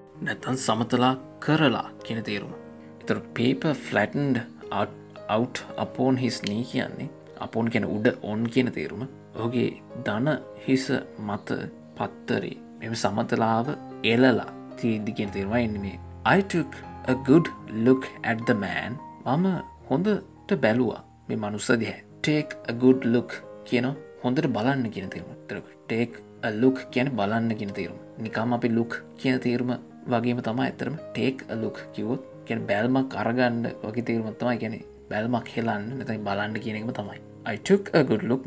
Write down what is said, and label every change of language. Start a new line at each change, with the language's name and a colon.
Sinhala: නැත්නම් සමතලා කරලා කියන තේරුම. ඒතර paper flattened out upon his knee කියන්නේ upon කියන උඩ on කියන තේරුම. ඔහුගේ දන හිස මත පත්තරේ මෙහෙම සමතලාව එලලා තියෙද්දි කියන තේරුමයි එන්නේ මේ.
English: I took a good look at the man.
Sinhala: මම හොඳට බැලුවා මේ මනුස්ස දිහා. Take a good look කියන හොඳට බලන්න කියන තේරුම. Take a look කියන්නේ බලන්න කියන තේරුම. නිකම් අපි look කියන තේරුම වගේම තමයි ඇත්තටම take a look කිව්වොත් කියන්නේ බැලමක් අරගන්න වගේ තේරුම තමයි. කියන්නේ බැලමක් හෙලන්න නැත්නම් බලන්න කියන එකම තමයි. I took a good look.